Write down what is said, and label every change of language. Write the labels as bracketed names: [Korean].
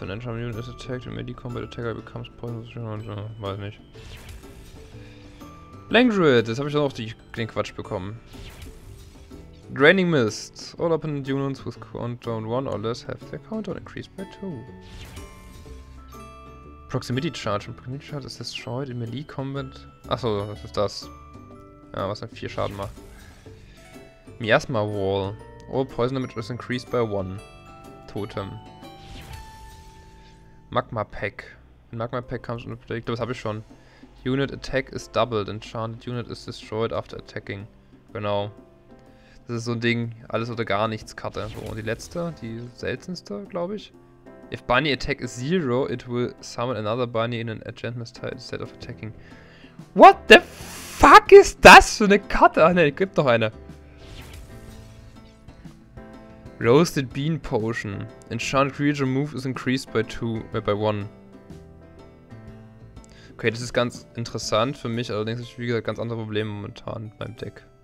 [English] When an enemy is attacked, a melee combat attacker becomes poisoned. [German] Weiß nicht. Langdruid, das habe ich dann auch den Quatsch bekommen. [English] Draining Mist. All opponent units with countdown 1 or less have their countdown increased by 2. Proximity Charge. Und Proximity Charge ist destroyed in melee combat. [German] Achso, was ist das? Ja, was dann 4 Schaden macht. [English] Miasma Wall. All poison damage is increased by 1. Totem. Magma Pack. Magma Pack comes into play. [German] Ich glaube, das habe ich schon. [English] Unit Attack is doubled. Enchanted Unit is destroyed after attacking. [German] Genau. Das ist so ein Ding. Alles oder gar nichts Karte. So, und die letzte, die seltenste, glaube ich. [English] If Bunny Attack is zero, it will summon another Bunny in an Enchantment instead of attacking. What the fuck [German] ist das für eine Karte? Ah ne, gibt noch eine. [English] Roasted Bean Potion. Enchanted Creature Move is increased by 1. [German] Okay, das ist ganz interessant für mich, allerdings habe ich, wie gesagt, ganz andere Probleme momentan mit meinem Deck.